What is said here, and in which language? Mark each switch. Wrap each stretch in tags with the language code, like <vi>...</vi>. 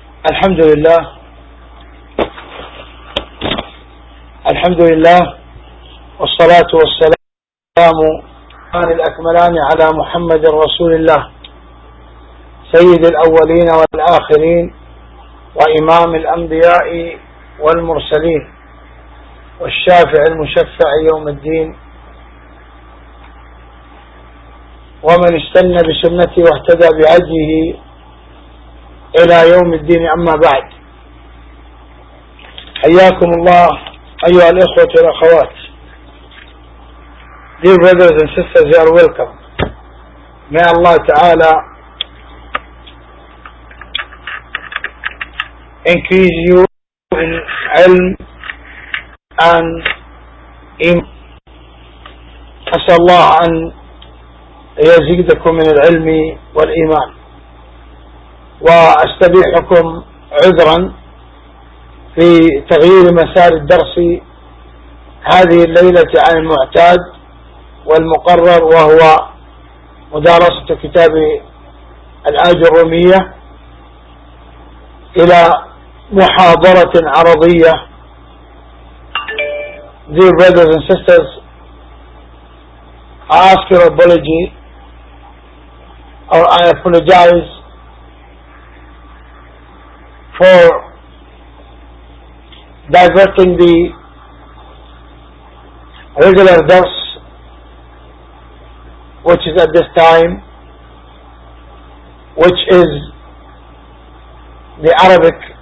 <ar>الحمد لله الحمد لله والصلاة والسلام الأكملان على محمد رسول الله سيد الأولين والآخرين وإمام الأنبياء والمرسلين والشافع المشفع يوم الدين ومن استنى بسنته واهتدى بهديه إلى يوم الدين. أما بعد، حياكم الله أيها الإخوة والأخوات.</ar> <en>Dear brothers and sisters, you are welcome. May Allah Ta'ala increase you in علم and إيمان.</en> <ar>أسأل الله أن يزيدكم من العلم والإيمان. وأستبيحكم عذرا في تغيير مسار الدرس هذه الليلة عن المعتاد والمقرر، وهو مدارسة كتاب الآية الرومية، إلى محاضرة عرضية.</ar> <en>Dear brothers and sisters, I ask your apology or I apologize for diverting the regular dars, which is at this time, which is the Arabic</en>